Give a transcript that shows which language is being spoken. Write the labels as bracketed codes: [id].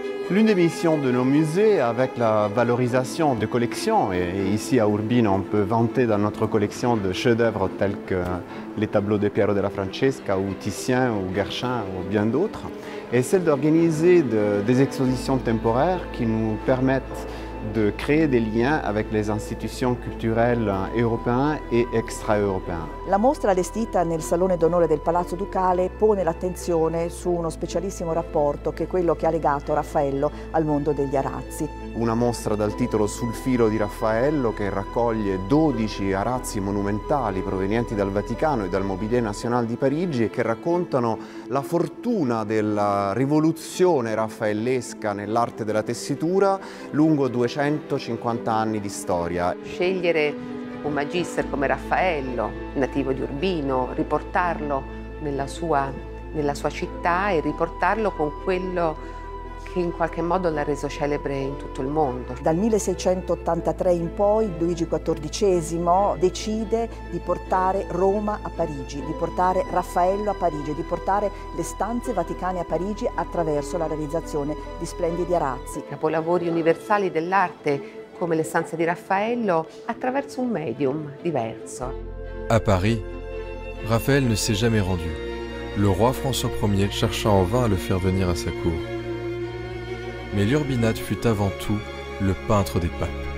[fr] L'une des missions de nos musées, avec la valorisation de collections, et ici à Urbino, on peut vanter dans notre collection de chefs-d'œuvre tels que les tableaux de Piero della Francesca, ou Titien, ou Guerchin, ou bien d'autres, est celle d'organiser des expositions temporaires qui nous permettent de créer des liens avec les institutions culturelles européennes et extra-européennes. [it] La mostra allestita nel Salone d'Onore del Palazzo Ducale pone l'attenzione su uno specialissimo rapporto che è quello che ha legato Raffaello al mondo degli arazzi. Una mostra dal titolo Sul filo di Raffaello che raccoglie 12 arazzi monumentali provenienti dal Vaticano e dal Mobilier National di Parigi e che raccontano la fortuna della rivoluzione raffaellesca nell'arte della tessitura lungo 250 anni di storia. Scegliere un magister come Raffaello, nativo di Urbino, riportarlo nella sua città e riportarlo con quello che in qualche modo l'ha reso celebre in tutto il mondo. Dal 1683 in poi Luigi XIV decide di portare Roma a Parigi, di portare Raffaello a Parigi, di portare le stanze vaticane a Parigi attraverso la realizzazione di splendidi arazzi. Capolavori universali dell'arte come le stanze di Raffaello attraverso un medium diverso. [fr] A Paris, Raphaël ne s'est jamais rendu. Le roi François Ier cherchant en vain à le faire venir à sa cour. Mais l'Urbinate fut avant tout le peintre des papes.